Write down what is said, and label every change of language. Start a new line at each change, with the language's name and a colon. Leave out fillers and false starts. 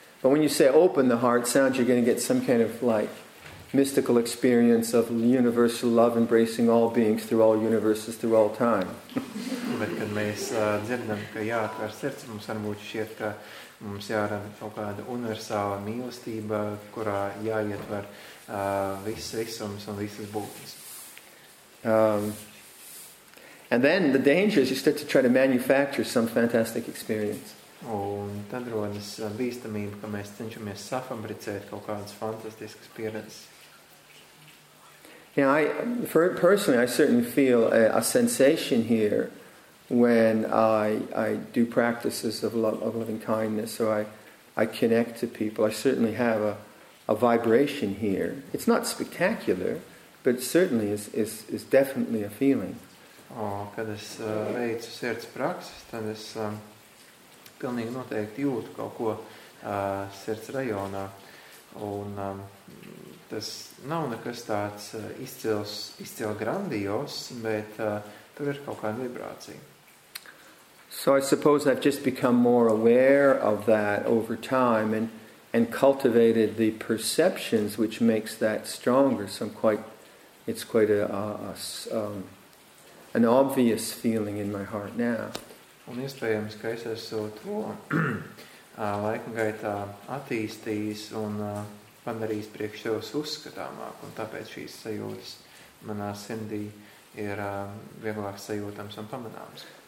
English: But when you say open the heart, sounds you're going to get some kind of like, mystical experience of universal love embracing all beings through all universes through all time.
Latvian: Bet kad mēs dzirdam, ka jā, ar sirds mums varbūt šķiet, ka mums jāra kaut kāda universāla mīlestība, kurā jāietver viss visums un visas būtnes.
English: And then the danger is you start to try to manufacture some fantastic experience.
Latvian: Un tad rodas bīstamība, ka mēs cenšamies safabricēt kaut kādas fantastiskas pieredzes.
English: Yeah, I personally certainly feel a sensation here when I do practices of love, of loving kindness, or I connect to people. I certainly have a vibration here. It's not spectacular, but certainly is definitely a feeling.
Latvian: Oh, kad es veicu sirds praksis, tad es pilnīgi noteikti jūtu kaut ko sirds rajonā. Un tas nav nekas tāds izcils grandios, bet tur ir kaut kāda vibrācija.
English: So I suppose I've just become more aware of that over time and cultivated the perceptions which makes that stronger. So it's quite an obvious feeling in my heart now.
Latvian: Un iespējams, ka es esmu to laika gaitā attīstījis un padarījis priekš sevis uzskatāmāk, un tāpēc šīs sajūtas manā sirdī ir vieglāk sajūtams un pamanāms.